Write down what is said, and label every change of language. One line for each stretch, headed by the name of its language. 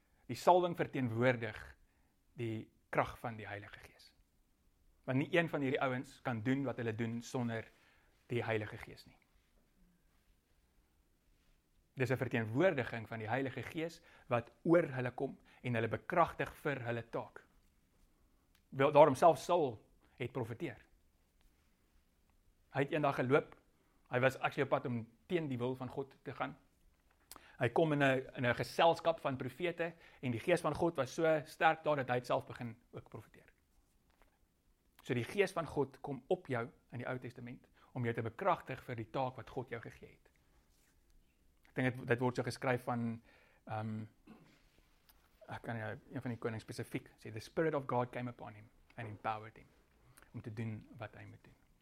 Afrikaans: Die salwing verteenwoordig die krag van die Heilige Gees. Want nie een van hierdie ouens kan doen wat hulle doen sonder die Heilige Gees nie. Dis 'n verteenwoordiging van die Heilige Gees wat oor hulle kom en hulle bekragtig vir hulle taak. Wel, daarom self Saul het profeteer. Hy het eendag geloop. Hy was actually op pad om teen die wil van God te gaan. Hy kom in een geselskap van profete en die Gees van God was so sterk daar dat hy het self begin ook profeteer. So die Gees van God kom op jou in die Ou Testament om jou te bekragtig vir die taak wat God jou gegee het. Ek dink dit word so geskryf van een van die koning spesifiek sê,
English: the spirit of God came upon him and empowered him
Afrikaans: om te doen wat hy moet doen.